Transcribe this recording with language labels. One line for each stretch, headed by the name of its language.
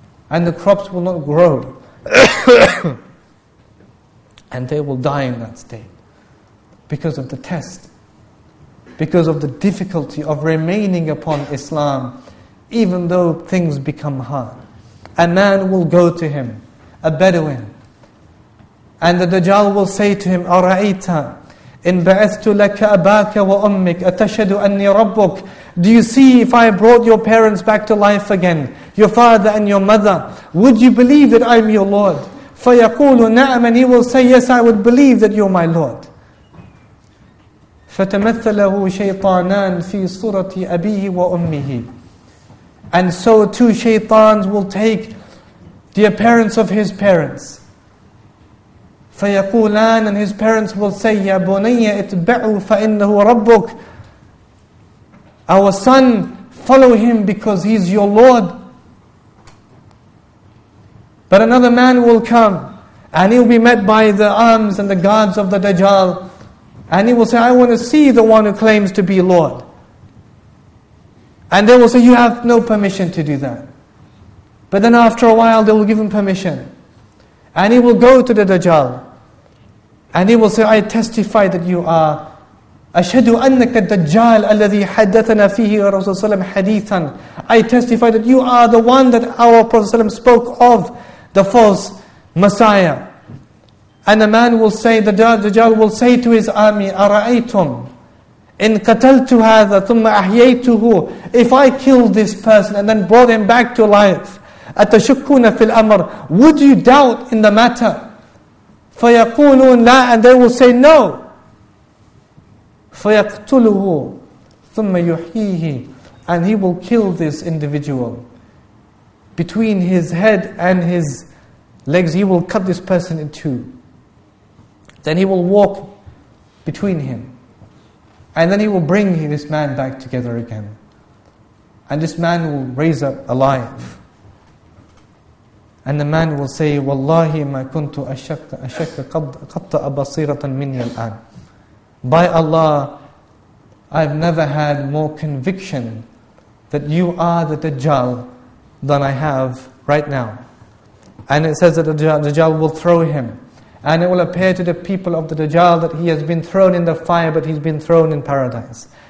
English: And the crops will not grow. And they will die in that state. Because of the test. Because of the difficulty of remaining upon Islam. Even though things become hard. A man will go to him. A Bedouin. And the Dajjal will say to him,
Arabic: أَرَأَيْتَ إِنْ بَعَثْتُ لَكَ أَبَاكَ وَأُمِّكَ أَتَشْهَدُ أَنِّي رَبُّكَ.
English: Do you see if I brought your parents back to life again, your father and your mother, would you believe that I'm your Lord?
Arabic: فَيَقُولُ نَعَمْ.
English: And he will say, yes, I would believe that you're my Lord.
Arabic: فَتَمَثَّلَهُ شَيْطَانًا فِي صُرَةِ أَبِيهِ وَأُمِّهِ.
English: And so two shaitans will take the appearance of his parents.
Arabic: فَيَقُولَانَ.
English: And his parents will say,
Arabic: يَا بُنَيَّ اِتْبَعُوا فَإِنَّهُ رَبُّكَ.
English: Our son, follow him because he's your Lord. But another man will come and he'll be met by the arms and the guards of the Dajjal. And he will say, I want to see the one who claims to be Lord. And they will say, you have no permission to do that. But then after a while they will give him permission. And he will go to the Dajjal. And he will say, I testify that you are
Arabic: أَشْهَدُ أَنَّكَ الدَّجَّالِ أَلَّذِي حَدَّثَنَا فِيهِ رَسُولُ صَلَّى اللَّهُ عَلَيْهِ وَسَلَّمَ حَدِيثًا.
English: I testify that you are the one that our Prophet ﷺ spoke of, the false Messiah. And the man will say, the Dajjal will say to his army,
Arabic: أَرَأَيْتُمْ إِن قَتَلْتُ هَذَا ثُمَّ أَحْيَيْتُهُ.
English: If I killed this person and then brought him back to life,
Arabic: أَتَشُكُّونَ فِي الْأَمْرِ.
English: Would you doubt in the matter?
Arabic: فَيَقُولُونَ لَا.
English: And they will say no.
Arabic: فَيَقْتُلُهُ ثُمَّ يُحْيِيهِ.
English: And he will kill this individual. Between his head and his legs, he will cut this person in two. Then he will walk between him. And then he will bring this man back together again. And this man will raise up alive. And the man will say,
Arabic: وَاللَّهِ مَا كُنْتُ أَشَكَّ قَطَّ بَصِيرَةً مِنِّي الْآنِ.
English: By Allah, I've never had more conviction that you are the Dajjal than I have right now. And it says that the Dajjal will throw him. And it will appear to the people of the Dajjal that he has been thrown in the fire, but he's been thrown in paradise.